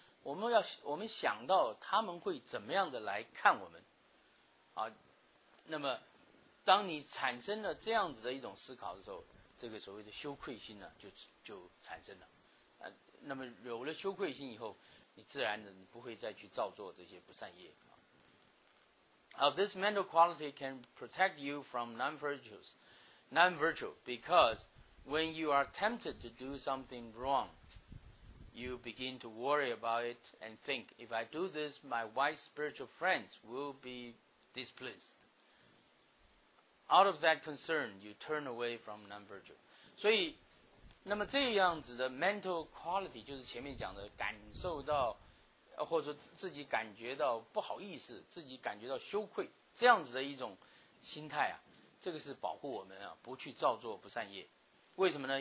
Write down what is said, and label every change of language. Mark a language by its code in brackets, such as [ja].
[zh] 我们想到他们会怎么样的来看我们啊？那么当你产生了这样子的一种思考的时候，这个所谓的羞愧心呢，就产生了啊。那么有了羞愧心以后，你自然的你不会再去造作这些不善业啊。 [en] This mental quality can protect you from non-virtue because when you are tempted to do something wrongYou begin to worry about it and think, if I do this, my wise spiritual friends will be displeased. Out of that concern, you turn away from non-virtue. [zh] 所以，那么这样子的 [en] mental quality [zh] 就是前面讲的感受到，或者说自己感觉到不好意思，自己感觉到羞愧，这样子的一种心态啊，这个是保护我们啊，不去造作不善业。为什么呢？